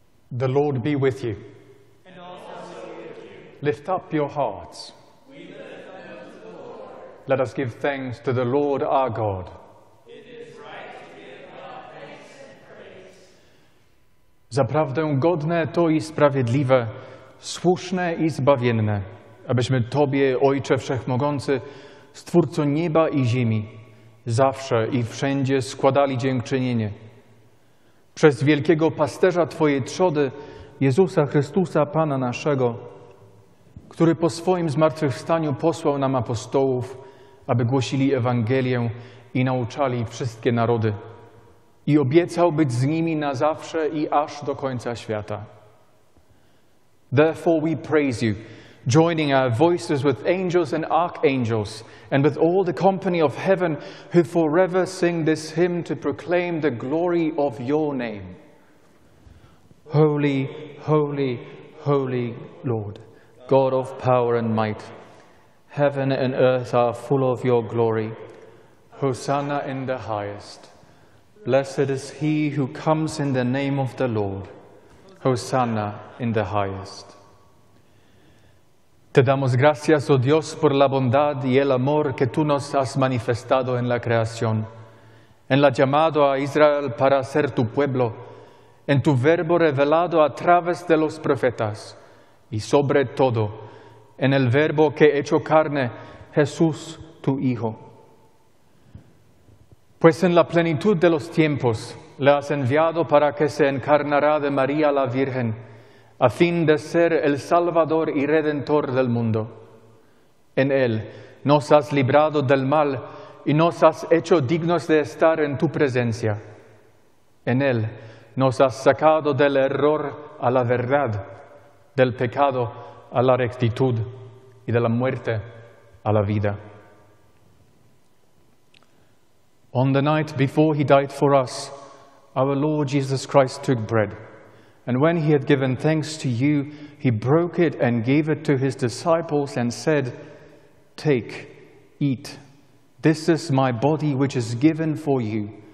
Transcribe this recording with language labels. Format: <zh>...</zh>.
<en>The Lord be with you. And also with you. Lift up your hearts. We lift them to the Lord. Let us give thanks to the Lord our God. It is right to give God thanks and praise.</en> <pl>Zaprawdę godne to i sprawiedliwe, słuszne i zbawienne, abyśmy Tobie, Ojcze Wszechmogący, Stwórco nieba i ziemi, zawsze i wszędzie składali dziękczynienie. Przez wielkiego pasterza Twojej trzody, Jezusa Chrystusa, Pana naszego, który po swoim zmartwychwstaniu posłał nam apostołów, aby głosili Ewangelię i nauczali wszystkie narody, i obiecał być z nimi na zawsze i aż do końca świata.</pl> <en>Therefore we praise you, joining our voices with angels and archangels, and with all the company of heaven, who forever sing this hymn to proclaim the glory of your name. Holy, holy, holy Lord, God of power and might, heaven and earth are full of your glory. Hosanna in the highest. Blessed is he who comes in the name of the Lord. Hosanna in the highest.</en> <es>Te damos gracias, oh Dios, por la bondad y el amor que tú nos has manifestado en la creación, en la llamada a Israel para ser tu pueblo, en tu verbo revelado a través de los profetas, y sobre todo, en el verbo que hecho carne, Jesús, tu Hijo. Pues en la plenitud de los tiempos le has enviado para que se encarnara de María la Virgen, a fin de ser el Salvador y Redentor del mundo. En Él nos has librado del mal y nos has hecho dignos de estar en tu presencia. En Él nos has sacado del error a la verdad, del pecado a la rectitud y de la muerte a la vida.</es> <en>On the night before he died for us, our Lord Jesus Christ took bread. And when he had given thanks to you, he broke it and gave it to his disciples and said, Take, eat. This is my body which is given for you.</en>